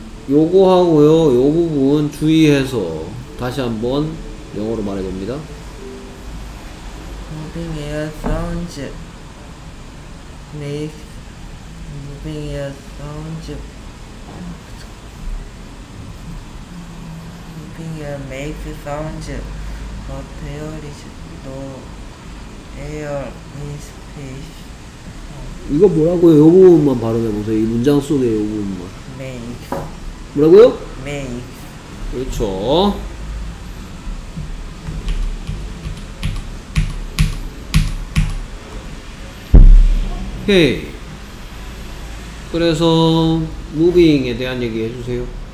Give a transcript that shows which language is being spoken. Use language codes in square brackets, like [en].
[ko] 요거하고요, 요 부분 주의해서 다시 한번 영어로 말해봅니다. [en] Moving air sounds make moving air sounds moving air make sounds but there is no air in space. [ko] 이거 뭐라고요? 요 부분만 발음해보세요. 이 문장 속에 요 부분만. [en] Make. [ko] 뭐라고요? [en] Make. [ko] 그렇죠. 오케이. 그래서 moving에 대한 얘기 해주세요.